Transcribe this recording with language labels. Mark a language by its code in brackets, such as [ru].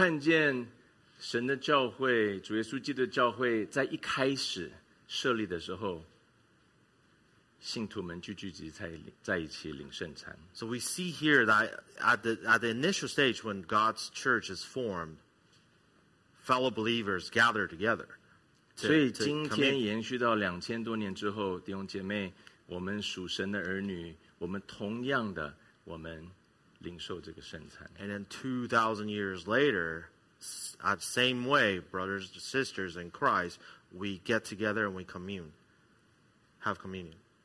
[zh] 我们看见神的教会, 主耶稣基督的教会, 在一开始设立的时候, 信徒们就聚集在一起领圣餐。 [en] So we see here that at the initial stage when God's church is formed, fellow believers gather together. [zh] 所以今天延续到2000多年之后, 弟兄姐妹, 我们属神的儿女, 我们同样的, 我们领受这个圣餐。 [en] And then 2,000 years later, at same way, brothers and sisters in Christ, we get together and we commune, have communion.